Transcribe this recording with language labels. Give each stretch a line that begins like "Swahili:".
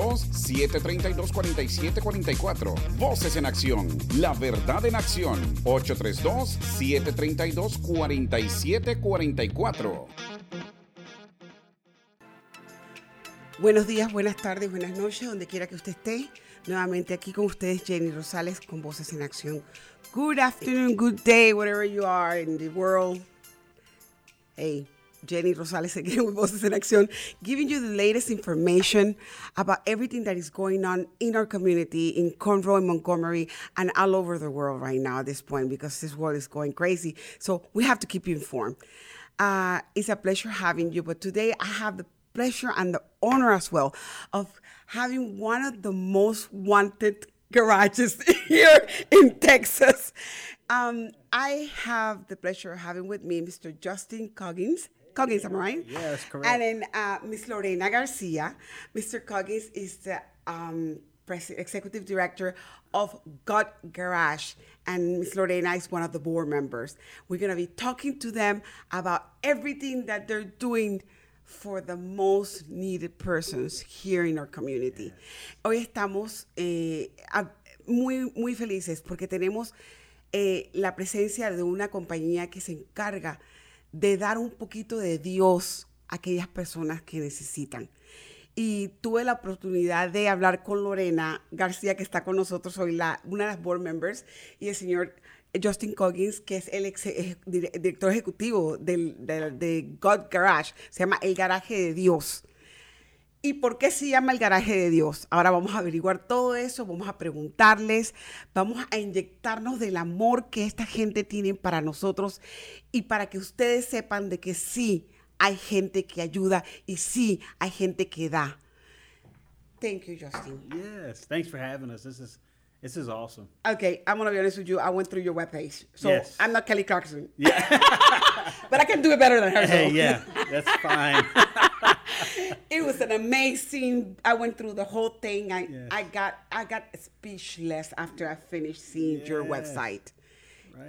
Spanish: 832-732-4744. Voces en Acción, la verdad en acción. 832-732-4744. Buenos días, buenas tardes, buenas noches, donde quiera que usted esté. Nuevamente aquí con ustedes, Jenny Rosales, con Voces en Acción.
English: Good afternoon, good day, whatever you are in the world. Hey, Jenny Rosales again with Voces en Acción, giving you the latest information about everything that is going on in our community, in Conroe and Montgomery, and all over the world right now at this point, because this world is going crazy. So we have to keep you informed. It's a pleasure having you, but today I have the pleasure and the honor as well of having one of the most wanted garages here in Texas. I have the pleasure of having with me Mr. Justin Coggins. Coggins, am I right? Yes, correct. And then Ms. Lorena Garcia. Mr. Coggins is the executive director of Got Garage. And Ms. Lorena is one of the board members. We're going to be talking to them about everything that they're doing for the most needed persons here in our community. Yes.
Spanish: Hoy estamos muy, muy felices porque tenemos la presencia de una compañía que se encarga de dar un poquito de Dios a aquellas personas que necesitan. Y tuve la oportunidad de hablar con Lorena García, que está con nosotros hoy, una de las board members, y el señor Justin Coggins, que es el director ejecutivo de God Garage. Se llama El Garaje de Dios. ¿Y por qué se llama El Garaje de Dios? Ahora vamos a averiguar todo eso, vamos a preguntarles, vamos a inyectarnos del amor que esta gente tiene para nosotros y para que ustedes sepan de que sí hay gente que ayuda y sí hay gente que da.
English: Thank you, Justin. Yes, thanks for having us. This is awesome. Okay, I'm going to be honest with you. I went through your webpage. So yes. I'm not Kelly Clarkson. Yeah. But I can do it better than her. Hey, yeah, that's fine. It was an amazing, I went through the whole thing. I got speechless after I finished seeing your website. Right.